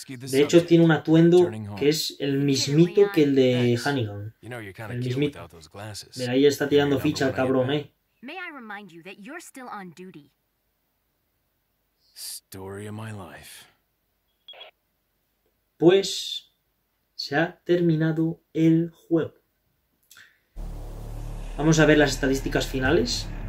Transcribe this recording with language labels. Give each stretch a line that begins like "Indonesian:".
Spanish: De hecho, tiene un atuendo que es el mismito que el de Hannigan. El mismito. Mira, ahí está tirando ficha al cabrón, eh.
English: May I remind you that you're still on duty. Story of my life.
Spanish: Pues se ha terminado el juego. Vamos a ver las estadísticas finales.